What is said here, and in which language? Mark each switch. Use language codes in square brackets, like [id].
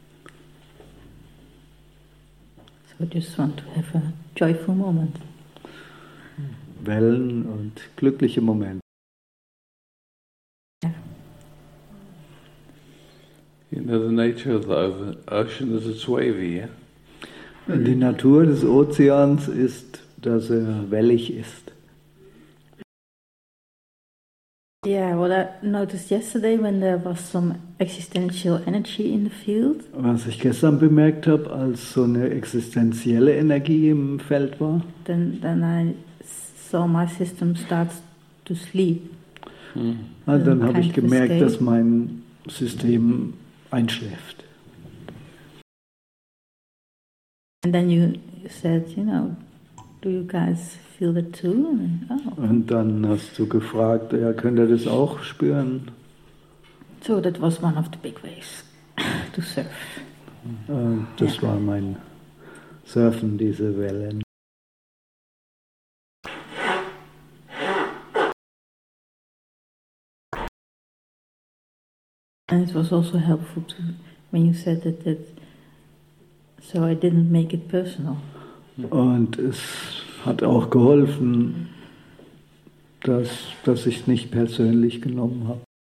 [en] yeah. So I just want to have a joyful moment. [de] Wellen und glückliche Momente. [en] You know, the nature of the ocean is it's wavy, yeah? [de] Die Natur des Ozeans ist, dass er wellig ist. [en] Yeah, well, noticed yesterday when there was some existential energy in the field. [de] Was ich gestern bemerkt habe, als so eine existenzielle Energie im Feld war. [en] Then I saw my system starts to sleep. [de] Und dann habe ich gemerkt, dass mein System einschläft. [en] And then you said, you know, do you guys feel that too? Oh. [de] Und dann hast du gefragt, ja, könnt ihr das auch spüren? [en] So that was one of the big waves to surf. [de] Das war mein Surfen, diese Wellen. [en] And it was also helpful to when you said that so I didn't make it personal. [de] Und es hat auch geholfen, dass ich es nicht persönlich genommen habe.